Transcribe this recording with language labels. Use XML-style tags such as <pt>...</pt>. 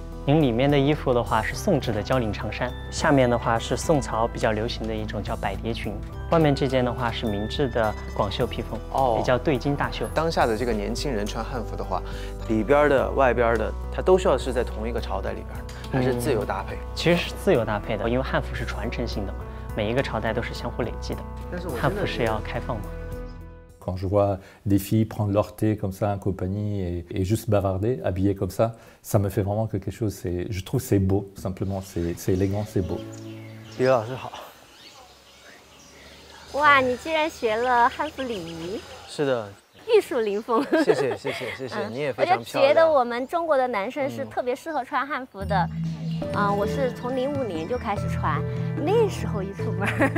<zh>您里面的衣服的话是宋制的交领长衫，下面的话是宋朝比较流行的一种叫百蝶裙，外面这件的话是明制的广袖披风，比较对襟大袖。当下的这个年轻人穿汉服的话，里边的外边的它都需要是在同一个朝代里边，还是自由搭配？其实是自由搭配的，因为汉服是传承性的嘛，每一个朝代都是相互累积的。但是汉服是要开放吗？</zh> <fr>Quand je vois des filles prendre leur thé comme ça en compagnie et juste bavarder, habillées comme ça, ça me fait vraiment quelque chose. Je trouve que c'est beau, simplement. C'est élégant, c'est beau.</fr> <zh>李老师好。哇，你居然学了汉服礼仪。是的。玉树临风。谢谢谢谢谢谢，你也非常漂亮。我觉得我们中国的男生是特别适合穿汉服的。我是从2005年就开始穿，那时候一出门，</zh>